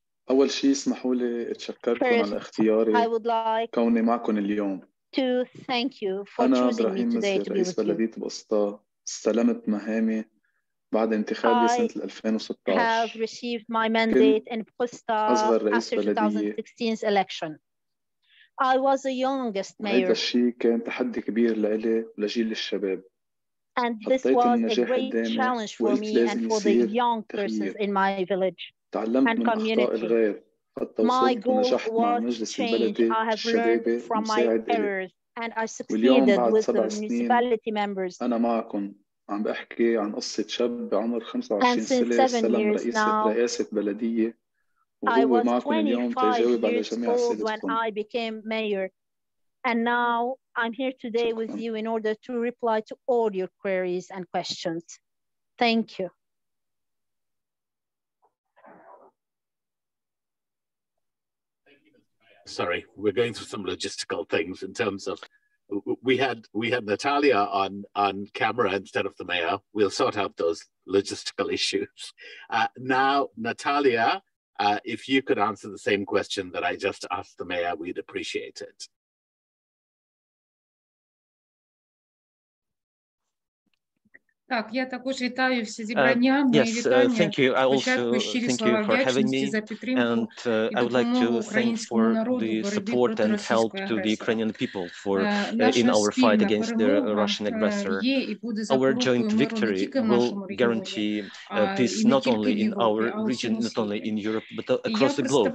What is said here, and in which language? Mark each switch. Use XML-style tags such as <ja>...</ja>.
<ar>أول شيء اسمحوا لي اتشكركم على اختياري كوني معكم اليوم.</ar> <en>to thank you for choosing me today to be with you.</en> <ar>استلمت مهامي بعد انتخابي سنة 2016.</ar> <en>I have received my mandate in بوستا after 2016's election. I was the youngest mayor.</en> <ar>هذا الشيء كان تحدي كبير لإلي ولجيل الشباب.</ar> <en>And this was a great challenge for me and for the young persons in my village and community. My goal was to change. I have learned from my errors and I succeeded with the municipality members.</en> <ar>أنا معكم. عم بحكي عن قصة شاب بعمر 25 سنة سلم رئاسة بلدية وهو معكم اليوم تجاوب على جميع أسئلتكم.</ar> <en>When I became mayor, and now I'm here today</en> <ar>شكرا.</ar> <en>With you in order to reply to all your queries and questions. Thank you. Sorry, we're going through some logistical things in terms of. We had Natalia on camera instead of the mayor. We'll sort out those logistical issues. Now, Natalia, if you could answer the same question that I just asked the mayor, we'd appreciate it.</en> <uk>Так, я також вітаю всі зібрання.</uk> <en>Yes, thank you. I also thank you for having me. And I would like to thank for the support and help to the Ukrainian people for in our fight against the Russian aggressor. Our joint victory will guarantee peace not only in our region, not only in Europe, but across the globe.</en>